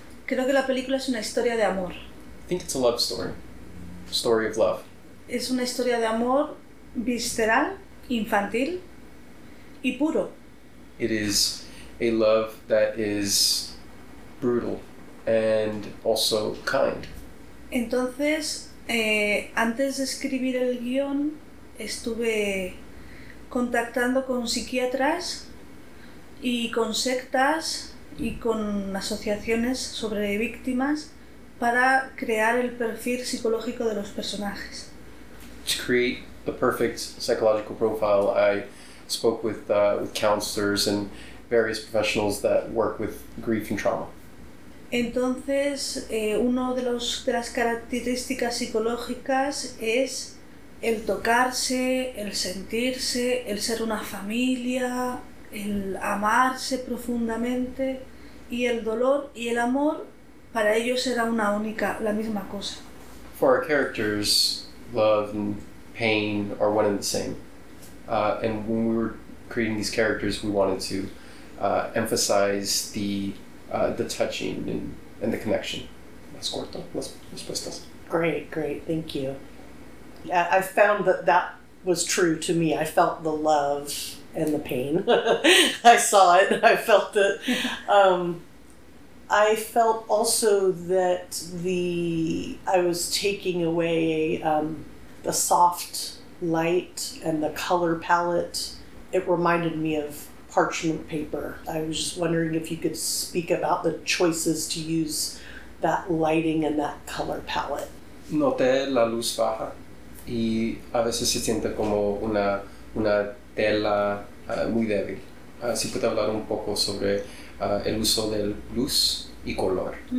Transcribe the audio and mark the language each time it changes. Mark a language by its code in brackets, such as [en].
[es] Creo que la película es una historia de amor. [en] I think it's a love story. Story of love. [es] Es una historia de amor visceral, infantil y puro. [en] It is a love that is brutal and also kind. [es] Entonces, antes de escribir el guión, estuve contactando con psiquiatras y con sectas y con asociaciones sobre víctimas para crear el perfil psicológico de los personajes. [en] To create the perfect psychological profile, I spoke with counselors and various professionals that work with grief and trauma. [es] Entonces, uno de los de las características psicológicas es el tocarse, el sentirse, el ser una familia, el amarse profundamente, y el dolor y el amor para ellos era una única, la misma cosa. [en] For our characters, love and pain are one and the same. And when we were creating these characters, we wanted to emphasize the touching and the connection. [es] Más corto, más respuestas. [en] Great, thank you. I found that that was true to me. I felt the love and the pain. I saw it. I felt it. I felt also that I was taking away the soft light and the color palette. It reminded me of parchment paper. I was just wondering if you could speak about the choices to use that lighting and that color palette. [es] Noté la luz baja. Y a veces se siente como una tela muy débil. ¿Sí puede hablar un poco sobre el uso de luz y color?